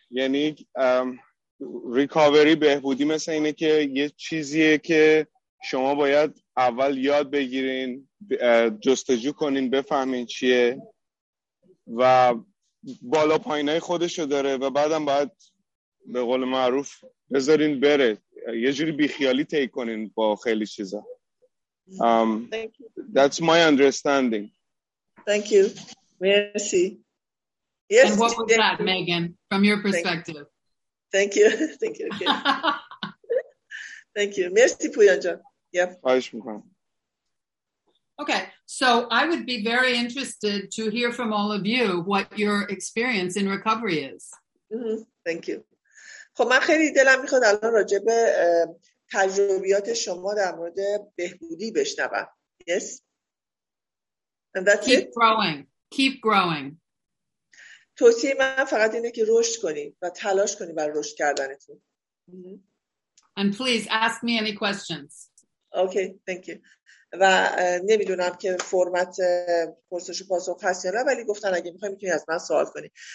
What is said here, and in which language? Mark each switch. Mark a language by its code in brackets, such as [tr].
[fa] یعنی recovery بهبودی مثل اینه که یه چیزیه که شما باید اول یاد بگیرین، جستجو کنین، بفهمین چیه و بالا پایینای خودشو داره و بعدم باید به قول معروف بذارین بره، یه جوری بیخیالی تی کنین با خیلی چیزا. [en] That's my understanding. Thank you. Merci. Yes. And what was that, Megan, from your perspective? Thank you. Okay. Thank you. Merci, Puyan Jan. Yep. Okay. So I would be very interested to hear from all of you what your experience in recovery is. Thank you. [fa] خب من خیلی دلم میخواد الان راجع به تجربیات شما در مورد بهبودی بشنوم. [en] Yes. And that's keep it. Growing. Keep growing. [fa] توصیه من فقط اینه که رشد کنید و تلاش کنید برای رشد کردنتون. [en] And please ask me any questions. Okay, thank you. [fa] و نمیدونم که فرمت پرسش و پاسخ هست یا نه، ولی گفتن اگه میخوای میتونی از من سوال کنی.